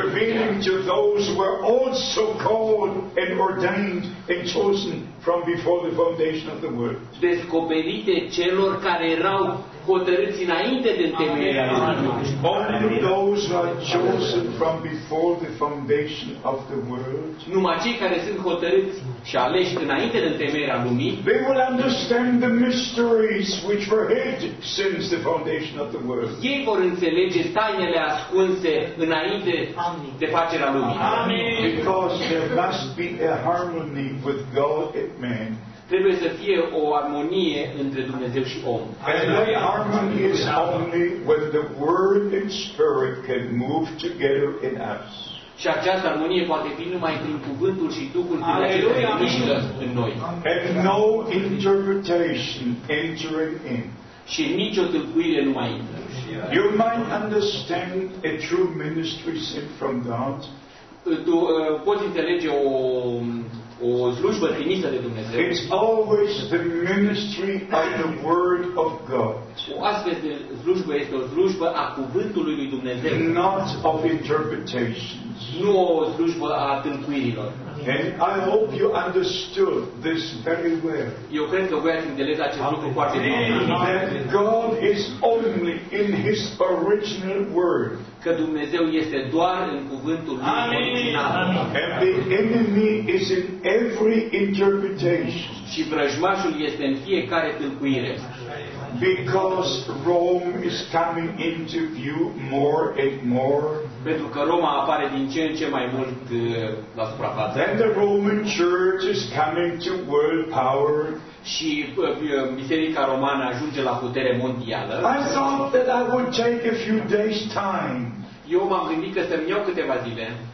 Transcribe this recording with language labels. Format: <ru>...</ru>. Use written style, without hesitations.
<en>Revealing to those who were also called and ordained and chosen from before the foundation of the world.</en> <ro>Descoperite celor care erau hotărâți înainte de întemeierea lumii.</ro> <en>Only those who are chosen from before the foundation of the world.</en> <ro>Numai cei care sunt hotărâți și aleși înainte de întemeierea lumii.</ro> <en>They will understand the mysteries which were hid since the foundation of the world.</en> <ro>Ei vor înțelege tainele ascunse înainte de facerea lumii.</ro> <en>Amen. Because there must be a harmony with God and man.</en> <ro>Trebuie să fie o armonie între Dumnezeu și om.</ro> <en>And that harmony is only when the Word and Spirit can move together in us.</en> <ro>Și această armonie poate fi numai prin cuvântul și Duhul care mișcă în noi.</ro> <en>And no interpretation entering in.</en> <ro>Și nicio tâlcuire nu mai intră.</ro> <en>You might understand a true ministry sent from God.</en> <ro>Poți înțelege o slujbă trimisă de Dumnezeu.</ro> <en>It's always the ministry of the word of God.</en> <ro>O astfel de slujbă este o slujbă a cuvântului lui Dumnezeu.</ro> <en>Not of interpretations.</en> <ro>Nu o slujbă a tâlcuirilor.</ro> <en>And I hope you understood this very well.</en> <ro>Eu cred că voi ați înțeles acest lucru foarte bine.</ro> <en>That God is only in his original word.</en> <ro>Că Dumnezeu este doar în cuvântul lui original.</ro> <en>And the enemy is in every interpretation.</en> <ro>Și vrăjmașul este în fiecare tâlcuire.</ro> <en>Because Rome is coming into view more and more.</en> <ro>Pentru că Roma apare din ce în ce mai mult la suprafață.</ro> <en>Then the Roman Church is coming to world power.</en> <ro>Și biserica romană ajunge la putere mondială.</ro> <en>I thought that I would take a few days time.</en> <ro>Eu m-am gândit că să-mi iau câteva zile.</ro>